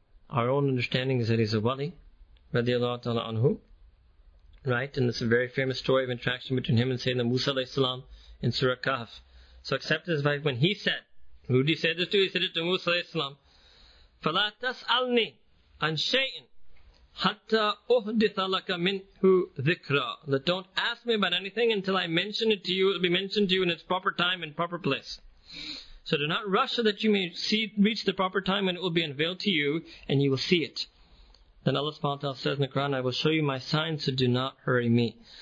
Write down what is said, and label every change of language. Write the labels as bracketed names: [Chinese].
[English] Our own understanding is that he's a Wali, radiallahu ta'ala anhu. Right? And it's a very famous story of interaction between him and Sayyidina Musa alayhi salam in Surah Kahf. So accept his advice when he said, who did he say this to? He said it to Musa alayhi salam, [Arabic] فَلَا تَسْأَلْنِي عَنْ شَيْءٍ حَتَّى أُحْدِثَ لَكَ مِنْهُ ذِكْرًا. [English] That don't ask me about anything until I mention it to you. It will be mentioned to you in its proper time and proper place. So do not rush so that you may see, reach the proper time when it will be unveiled to you and you will see it. Then Allah subhanahu wa ta'ala says in the Quran, I will show you my signs, so do not hurry me.